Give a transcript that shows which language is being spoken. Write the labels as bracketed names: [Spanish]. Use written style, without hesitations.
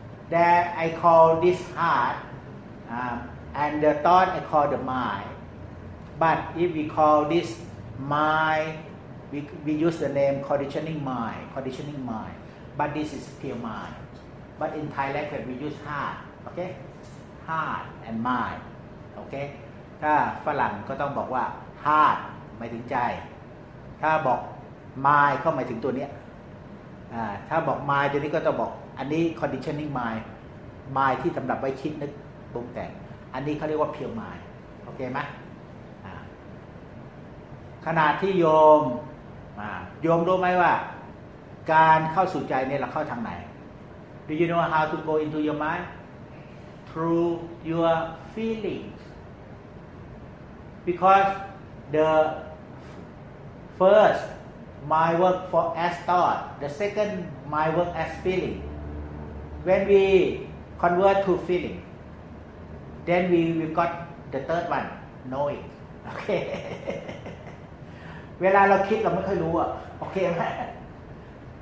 [English] That I call this heart, and the thought I call the mind. But if we call this mind,We use the name conditioning mind, but this is pure mind. But in Thai language, we use heart, okay? Heart and mind, okay? [Thai] ถ้าฝรั่งก็ต้องบอกว่า heart หมายถึงใจถ้าบอก mind ก็หมายถึงตัวนี้ถ้าบอก mind ตัวนี้ก็ต้องบอกอันนี้ conditioning mind ที่สำหรับไว้คิดนึกปรุงแต่งอันนี้เขาเรียกว่า pure mind, okay ไหมขนาดที่โยมโยมรู้ไหมว่าการเข้าสู่ใจเนี่ยเราเข้าทางไหน [English] Do you know how to go into your mind? Through your feelings. Because the first mind work for as thought, the second mind work as feeling. When we convert to feeling, then we got the third one, knowing. Okay. [Thai] เวลาเราคิดเราไม่ค่อยรู้อ่ะโอเคไหม